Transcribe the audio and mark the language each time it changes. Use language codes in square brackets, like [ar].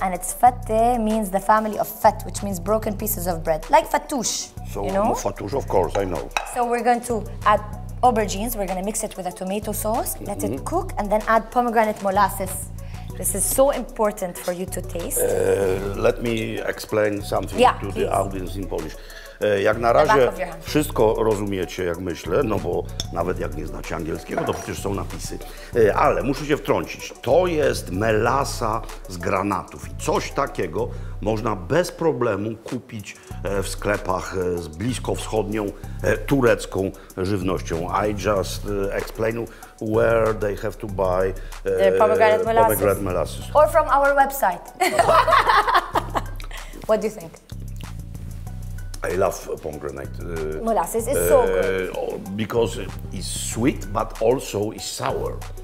[en] And it's fette means the family of fette, which means broken pieces of bread, like fattoush. So, you know? Fattoush, of course, I know. So we're going to add aubergines, we're going to mix it with a tomato sauce, let it cook, and then add pomegranate molasses. This is so important for you to taste. Let me explain something to the audience in Polish. [pl] jak na razie wszystko rozumiecie, jak myślę, no bo nawet jak nie znacie angielskiego, to przecież są napisy. Ale muszę się wtrącić, to jest melasa z granatów i coś takiego można bez problemu kupić w sklepach z bliskowschodnią turecką żywnością. [en] I just explain where they have to buy pomegranate melasses. Or from our website. What do you think? I love pomegranate. Molasses is so good. Because it's sweet, but also it's sour.